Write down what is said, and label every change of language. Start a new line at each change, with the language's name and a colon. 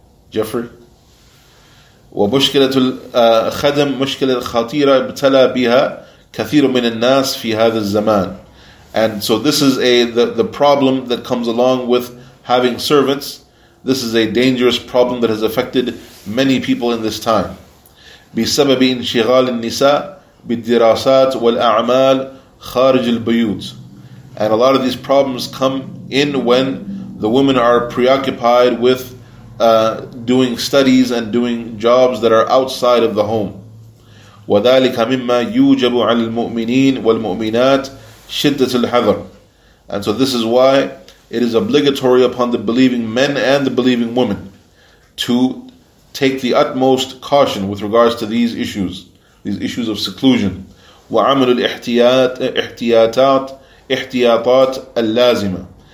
Arabic: Jeffrey. وَمُشْكِلَةُ الْخَدَمْ مُشْكِلَةُ خَطِيرَةُ بْتَلَى بِهَا كَثِيرٌ مِنَ النَّاسِ فِي هَذَا الزَّمَانِ.
English: And so this is the problem that comes along with having servants. This is a dangerous problem that has affected many people in this time.
Arabic: بسبب انشغال النساء بالدراسات والأعمال خارج البيوت.
English: And a lot of these problems come in when the women are preoccupied with doing studies and doing jobs that are outside of the home.
Arabic: وذلك مما يوجب على المؤمنين والمؤمنات شدة الحذر.
English: And so this is why it is obligatory upon the believing men and the believing women to take the utmost caution with regards to these issues of seclusion.
Arabic: وَعَمَلُ الْإِحْتِيَاطَاتِ اللَّازِمَةِ.